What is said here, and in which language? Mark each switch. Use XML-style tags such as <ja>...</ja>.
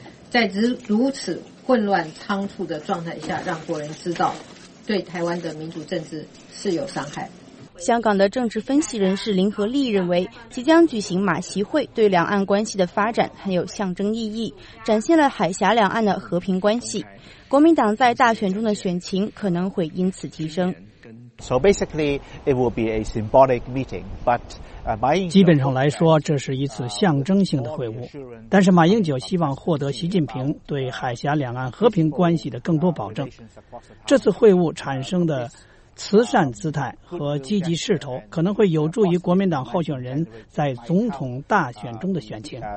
<zh>在如此混乱仓促的状态下，让国人知道，对台湾的民主政治是有伤害。香港的政治分析人士林和利认为，即将举行马习会对两岸关系的发展很有象征意义，展现了海峡两岸的和平关系，国民党在大选中的选情可能会因此提升。</zh> <en>So basically, it will be a symbolic meeting, but</en> <zh>基本上来说，这是一次象征性的会晤。但是马英九希望获得习近平对海峡两岸和平关系的更多保证。这次会晤产生的慈善姿态和积极势头，可能会有助于国民党候选人在总统大选中的选情。</zh>